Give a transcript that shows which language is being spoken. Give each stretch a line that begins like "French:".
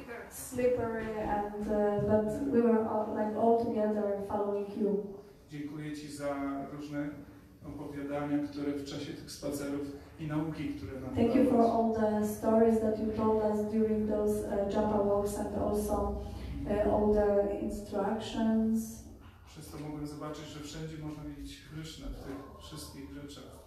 English: Slippery, and but we were all together following you.
Polish: Dziękuję ci za różne opowiadania, które w czasie tych spacerów i nauki, które nam
English: Thank you for all the stories that you told us during those japa walks and also all the instructions.
Polish: Przez to mogłem zobaczyć, że wszędzie można mieć Krishna w tych wszystkich rzeczach.